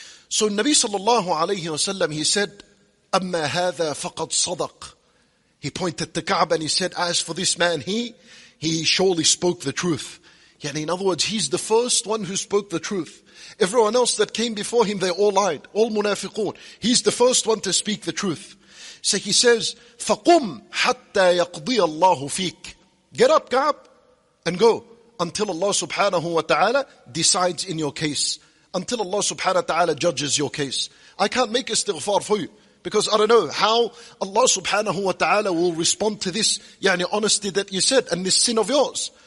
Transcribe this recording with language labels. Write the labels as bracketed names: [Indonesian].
[English] So Nabi sallallahu alayhi wa sallam, he said, [Arabic] أَمَّا هَذَا فَقَدْ صَدَقْ. [English] He pointed to Ka'b and he said, as for this man, he surely spoke the truth. Yet in other words, he's the first one who spoke the truth. Everyone else that came before him, they all lied, all munafiqun. He's the first one to speak the truth. So he says, [Arabic] فَقُمْ حَتَّى يَقْضِيَ اللَّهُ فِيكْ. [English] Get up, Ka'b, and go until Allah subhanahu wa ta'ala decides in your case. Until Allah subhanahu wa ta'ala judges your case. I can't make istighfar for you. Because I don't know how Allah subhanahu wa ta'ala will respond to this, yani, honesty that you said and this sin of yours.